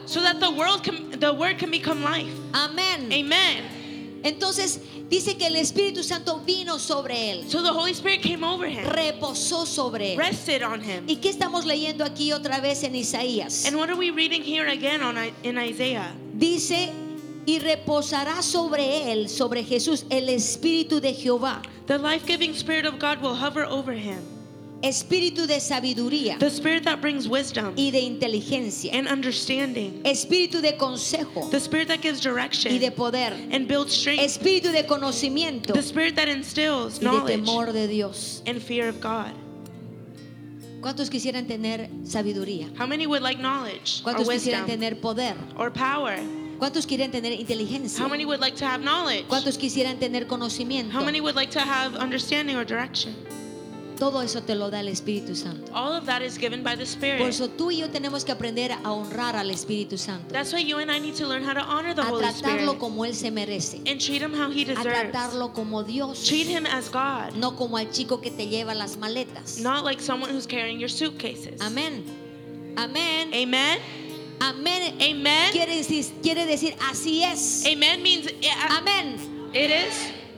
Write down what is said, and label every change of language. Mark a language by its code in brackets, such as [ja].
[en] So that the world can, the word can become life. [es] Amén. [en] Amen. [es] Entonces dice que el Espíritu Santo vino sobre él. [en] So the Holy Spirit came over him. [es] Reposó sobre él. [en] Rested on him. [es] ¿Y qué estamos leyendo aquí otra vez en Isaías? [en] And what are we reading here again on in Isaiah? [es] Dice y reposará sobre él, sobre Jesús, el Espíritu de Jehová. [en] The life-giving Spirit of God will hover over him. [es] Espíritu de sabiduría. [en] The Spirit that brings wisdom. [es] Y de inteligencia. [en] And understanding. [es] Espíritu de consejo. [en] The Spirit that gives direction. [es] Y de poder. [en] And builds strength. [es] Espíritu de conocimiento. [en] The Spirit that instills [es] y [en] knowledge. [es] Y de temor de Dios. [en] And fear of God. [es] ¿Cuántos quisieran tener sabiduría? [en] How many would like knowledge? [es] ¿Cuántos [en] or [es] quisieran [en] wisdom? [es] Tener poder? [en] Or power? [es] ¿Cuántos quisieran tener inteligencia? [en] How many would like to have knowledge? [es] ¿Cuántos quisieran tener conocimiento? [en] How many would like to have understanding or direction? [es] Todo eso te lo da el Espíritu Santo. [en] All of that is given by the Spirit. [es] Por eso tú y yo tenemos que aprender a honrar al Espíritu Santo. [en] That's why you and I need to learn how to honor the Holy Spirit. [es] A tratarlo como él se merece. [en] And treat him how he deserves. [es] A tratarlo como Dios. [en] Treat him as God. [es] No como al chico que te lleva las maletas. [en] Not like someone who's carrying your suitcases. [es] Amén. Amén. [en] Amen. [es] Amén. [en] Amen. [es] Quiere decir así es. [en] Amen means. [es] Amén. [en] It is.